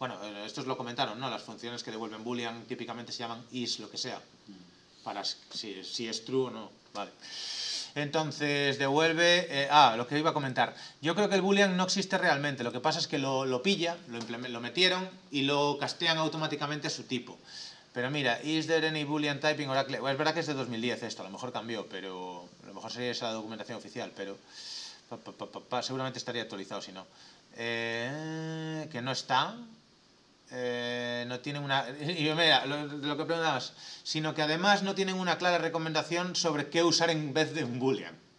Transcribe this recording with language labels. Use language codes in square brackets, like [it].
[es] Bueno, estos lo comentaron, ¿no? Las funciones que devuelven boolean típicamente se llaman is, lo que sea. Para si es true o no. Vale. Entonces, devuelve... lo que iba a comentar. Yo creo que el boolean no existe realmente. Lo que pasa es que lo pilla, lo metieron y lo castean automáticamente a su tipo. Pero mira, [en] is there any boolean type in Oracle? [es] Bueno, es verdad que es de 2010 esto, a lo mejor cambió, pero a lo mejor sería esa la documentación oficial, pero seguramente estaría actualizado si no. Que no está. No tienen una... Y mira, lo que preguntabas, sino que además no tienen una clara recomendación sobre qué usar en vez de un boolean.